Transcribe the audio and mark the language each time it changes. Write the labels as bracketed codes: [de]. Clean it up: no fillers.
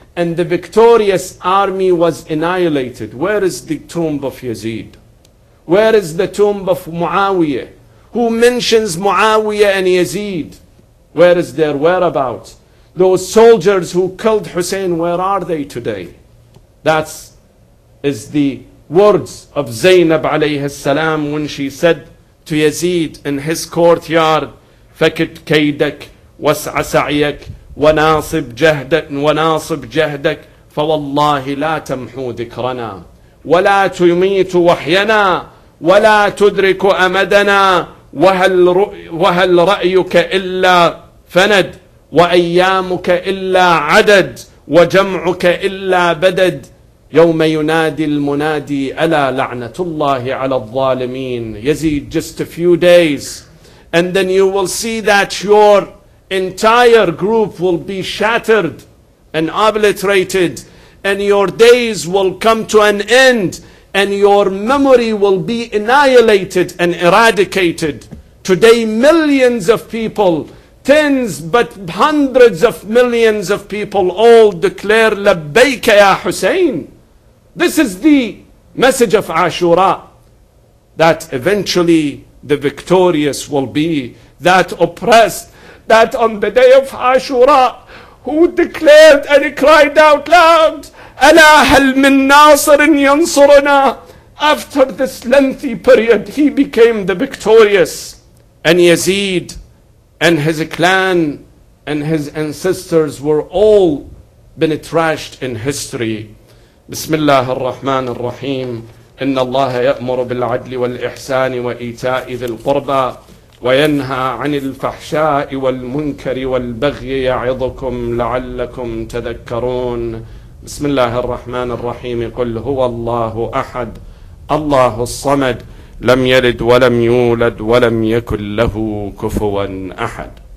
[en] And the victorious army was annihilated. Where is the tomb of Yazid? Where is the tomb of Muawiyah? Who mentions Muawiyah and Yazid? Where is their whereabouts? Those soldiers who killed Hussein, where are they today? That is the words of Zainab alayhi salam when she said to Yazid in his courtyard, [ar] فَكِدْ كَيْدَكْ وَسْعَ سَعْيَكْ وَنَاصِبْ جَهْدَكْ وَنَاصِبْ جَهْدَكْ فَوَاللَّهِ لَا تَمْحُو ذِكْرَنَا وَلَا تُمِيتُ وَحْيَنَا وَلَا تُدْرِكُ أَمَدَنَا وَهَلْ رَأْيُكَ إِلَّا فند وأيامك إلا عدد وجمعك إلا بدد يوم ينادي المنادي ألا لعنة الله على الظالمين. [en] يزيد, just a few days and then you will see that your entire group will be shattered and obliterated, and your days will come to an end, and your memory will be annihilated and eradicated. Today, millions of people, tens but hundreds of millions of people all declare Labbayka ya Hussein. This is the message of Ashura, that eventually the victorious will be that oppressed, that on the day of Ashura, who declared and he cried out loud, [ar] أَلَا هَلْ مِنْ نَاصِرٍ يَنْصُرُنَا. [en] After this lengthy period, he became the victorious. And Yazid and his clan and his ancestors were all been trashed in history. [ar] بسم الله الرحمن الرحيم. إن الله يأمر بالعدل والإحسان وإيتاء ذي القربى وينهى عن الفحشاء والمنكر والبغي يعظكم لعلكم تذكرون. بسم الله الرحمن الرحيم. قل هو الله أحد, الله الصمد, لم يلد ولم يولد ولم يكن له كفوا أحد.